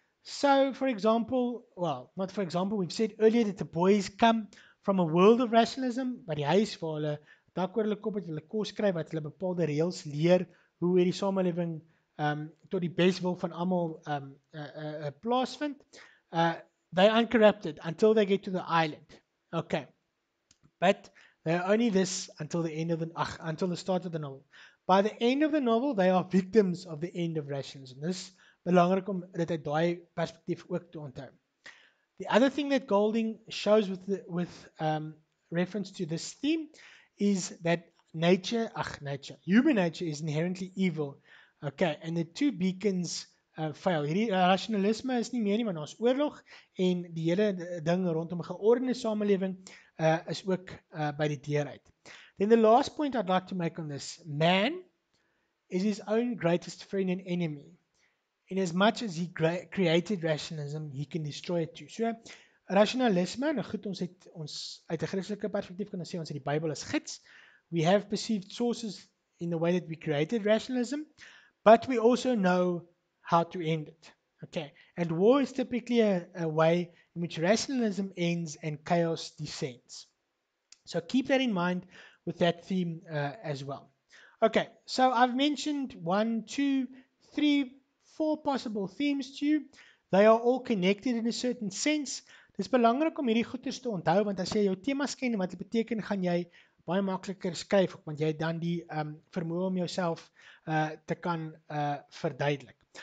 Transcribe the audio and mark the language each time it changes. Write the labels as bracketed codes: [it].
[en] So, for example, well, not for example, we've said earlier that the boys come from a world of rationalism, but [af] die huis waar hulle dak oor hulle kop het, hulle kos kry, wat hulle bepaalde reëls leer, hoe hierdie samelewing tot die beswil van almal plaasvind. [en] They uncorrupted until they get to the island. Okay. But they're only this until the end of the until the start of the novel. By the end of the novel, they are victims of the end of rationalism. [af] This belangrik om dit uit daai perspektief ook te onthou. [en] The other thing that Golding shows with the, with reference to this theme is that nature, human nature is inherently evil. Okay, and the two beacons fail. [af] Hierdie rationalisme is nie meer nie, maar daar's oorlog en die hele ding rondom 'n geordende samelewing is ook by die deur uit. [en] Then the last point I'd like to make on this, man is his own greatest friend and enemy. In as much as he created rationalism, he can destroy it too. [af] So, rationalisme, nou goed, ons het ons uit 'n Christelike perspektief kan ons sê ons het die Bybel as gids. [en] We have perceived sources in the way that we created rationalism, but we also know how to end it. Okay. And war is typically a way in which rationalism ends and chaos descends. So keep that in mind with that theme as well. Okay, so I've mentioned 1, 2, 3, 4 possible themes to you. They are all connected in a certain sense. [af] Dis belangrik om hierdie goeders te onthou, want as jy jou temas ken en wat dit beteken, gaan jy baie makliker skryf, want jy het dan die vermoë om jouself te kan verduidelik.